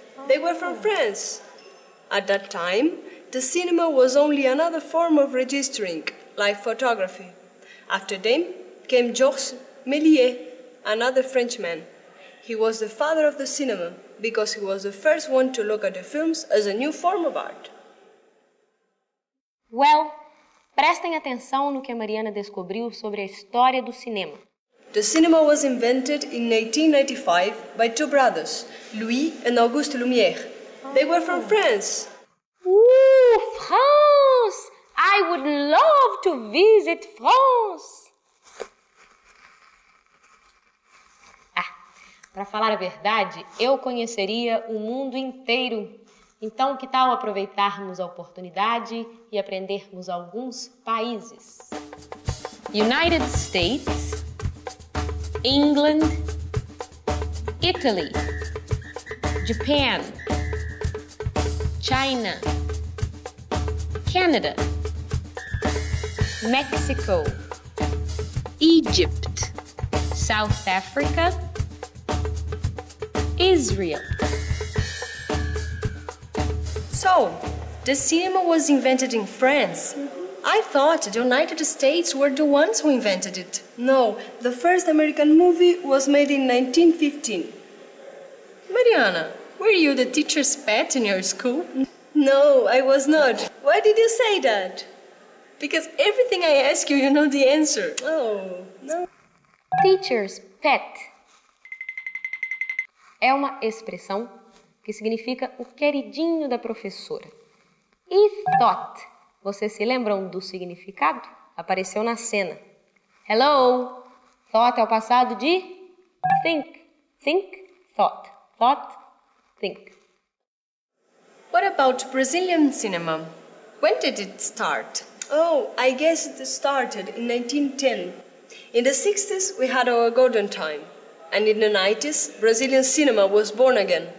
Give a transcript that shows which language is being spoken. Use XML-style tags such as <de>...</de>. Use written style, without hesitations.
<en>They were from France. At that time, the cinema was only another form of registering, like photography. After them came Georges Méliès, another Frenchman. He was the father of the cinema because he was the first one to look at the films as a new form of art.</en> <pt>Well, prestem atenção no que a Mariana descobriu sobre a história do cinema.</pt> <en>The cinema was invented in 1895 by two brothers, Louis and Auguste Lumière. They were from France. Ooh, France! I would love to visit France!</en> <pt>Ah, para falar a verdade, eu conheceria o mundo inteiro. Então, que tal aproveitarmos a oportunidade e aprendermos alguns países?</pt> <en>United States, England, Italy, Japan, China, Canada, Mexico, Egypt, South Africa, Israel. So, the cinema was invented in France. I thought the United States were the ones who invented it. No, the first American movie was made in 1915. Mariana, were you the teacher's pet in your school? No, I was not. Why did you say that? Because everything I ask you, you know the answer. Oh, no. Teacher's pet.</en> <pt>É uma expressão que significa o queridinho da professora. E thought. Vocês se lembram do significado? Apareceu na cena. Hello. Thought é o passado de think.</pt> <en>Think, thought. Thought, think. What about Brazilian cinema? When did it start? Oh, I guess it started in 1910. In the 60s, we had our golden time. And in the 90s, Brazilian cinema was born again.</en>